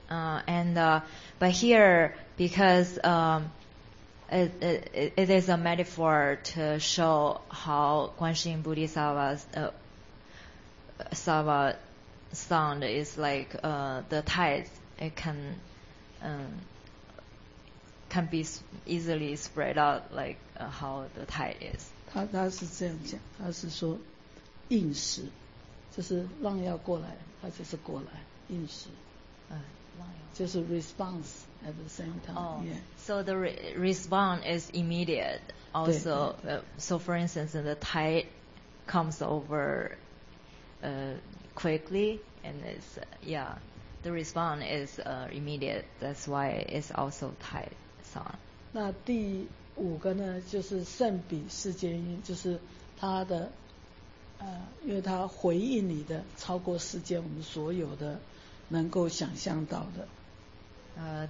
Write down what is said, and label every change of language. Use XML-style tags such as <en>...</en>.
<en>But here, because it is a metaphor to show how Guanxing Bodhisattva sound is like the tide. It can be easily spread out like how the tide is.</en> <zh>他是这样讲，他是说应时，就是浪要过来，他就是过来应时。就是</zh> <en>response at the same time. Oh, yeah. So the response is immediate. Also, so for instance, the tide comes over quickly, and it's the response is immediate. That's why it's also tide song.</en> <zh>那第五个呢，就是圣彼世间音，就是它的因为它回应你的超过世间我们所有的能够想象到的。</zh>